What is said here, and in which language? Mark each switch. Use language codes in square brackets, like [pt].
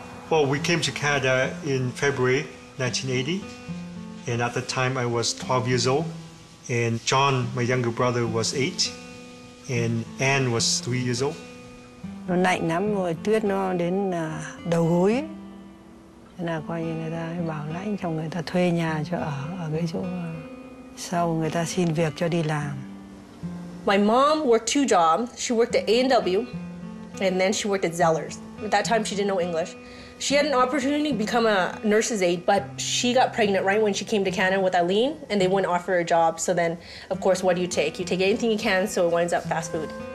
[en] Well, we came to Canada in February 1980, and at the time I was 12 years old. And John, my younger brother, was 8, and Anne was 3 years old. [vi] Nó lạnh lắm rồi tuyết nó đến đầu gối. Thế là coi như người ta bảo lãnh cho người ta thuê nhà cho ở ở cái chỗ sau người ta xin việc cho đi làm. [en] My mom worked two jobs. She worked at A&W and then she worked at Zellers. At that time she didn't know English. She had an opportunity to become a nurse's aide, but she got pregnant right when she came to Canada with Eileen and they wouldn't offer her a job. So then, of course, what do you take? You take anything you can, so it winds up fast food.